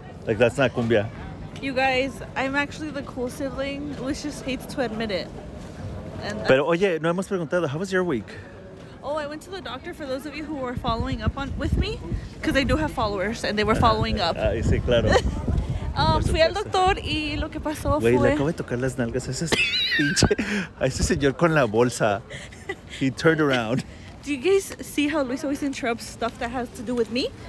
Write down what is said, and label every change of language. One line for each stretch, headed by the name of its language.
English: Like, that's not cumbia. You guys, I'm actually the cool sibling. Luis just hates to admit it.
Spanish: Pero oye, no hemos preguntado,
English: how was your week? Oh, I went to the doctor, for those of you who were following up on with me, because I do have followers and they were following up.
Spanish: Ah, sí, claro. Fui al doctor y lo que pasó fue... Güey, le acabo de tocar las nalgas a ese pinche, a ese señor con la bolsa.
English: He turned around. Do you guys see how Luis always interrupts stuff that has to do with me?